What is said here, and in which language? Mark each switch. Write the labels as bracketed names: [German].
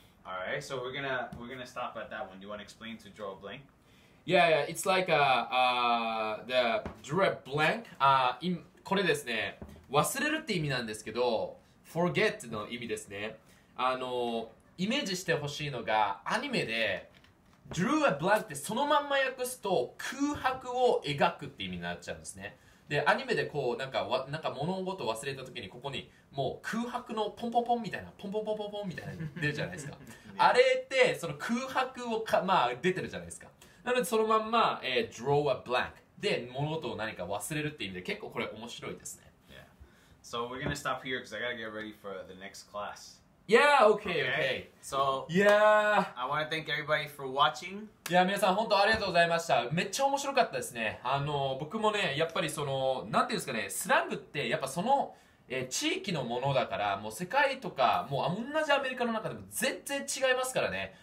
[English] All right, so we're gonna stop at that one. Do you want to explain to draw a blank? Yeah, it's like the draw a blank. [Japanese] これですね、忘れるって意味なんですけど、forget の意味ですね。あのイメージしてほしいのがアニメで draw a blank ってそのまんま訳すと空白を描くって意味になっちゃうんですね。でアニメでこうなんか物事を忘れた時にここにもう空白のポンポンポンみたいなポンポンポンポンポンみたいな出るじゃないですか。あれってその空白をか、まあ、出てるじゃないですか。なのでそのまんま、draw a blank で物事を何か忘れるっていう意味で結構これ面白いですね。 [English] Yeah. So we're gonna stop here because I gotta get ready for the next class. Yeah, okay. So yeah, I wanna thank everybody for watching. [Japanese] Yeah, 皆さん本当ありがとうございました。めっちゃ面白かったですね。あの僕もね、やっぱりそのなんていうんですかね、スラングってやっぱその地域のものだから、もう世界とかもう同じアメリカの中でも全然違いますからね。